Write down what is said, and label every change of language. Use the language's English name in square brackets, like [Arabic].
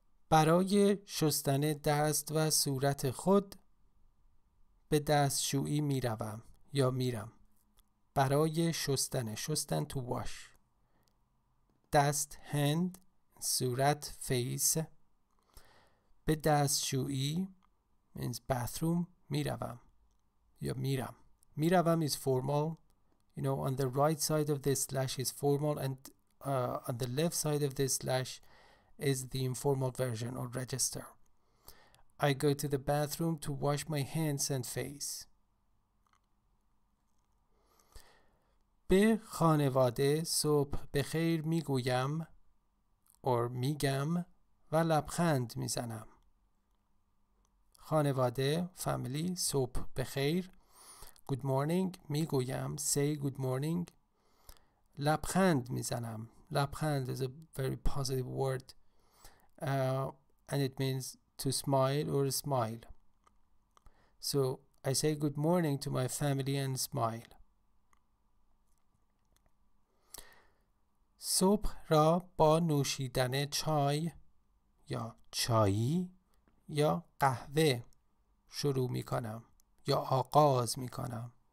[Persian] Baraye shostan dast va surat khod به دستشویی میروم یا میرم. برای شستن، شستن تو واش، دست هند، صورت فیس، به دستشویی [English] means bathroom [Persian] میروم یا میرم. [English] میروم is formal, you know, on the right side of this slash is formal, and on the left side of this slash is the informal version or register. I go to the bathroom to wash my hands and face. [Persian] به خانواده صبح بخیر میگویم or میگم و لبخند میزنم. خانواده family صبح بخیر [English] good morning [Persian] میگویم [English] say good morning [Persian] لبخند میزنم. [English] لبخند is a very positive word and it means to smile or smile. So I say good morning to my family and smile. [Persian] صبح را با نوشیدن چای یا چایی یا قهوه شروع می کنم یا آغاز می کنم.